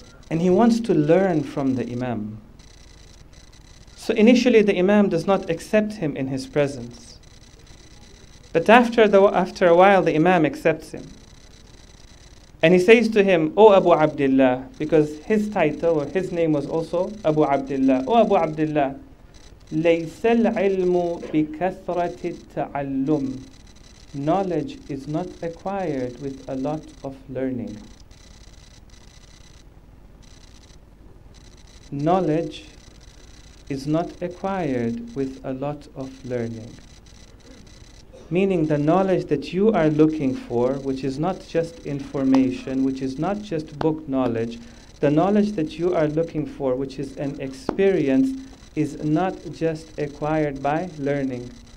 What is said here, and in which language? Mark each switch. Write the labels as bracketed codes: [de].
[en] And he wants to learn from the imam. So initially the imam does not accept him in his presence. But after a while the imam accepts him. And he says to him, O Abu Abdullah, because his title or his name was also Abu Abdullah. [ar] O Abu Abdullah, لَيْسَ الْعِلْمُ بِكَثْرَةِ التَّعَلُّمِ. [en] Knowledge is not acquired with a lot of learning. Knowledge is not acquired with a lot of learning. Meaning the knowledge that you are looking for, which is not just information, which is not just book knowledge, the knowledge that you are looking for, which is an experience, is not just acquired by learning.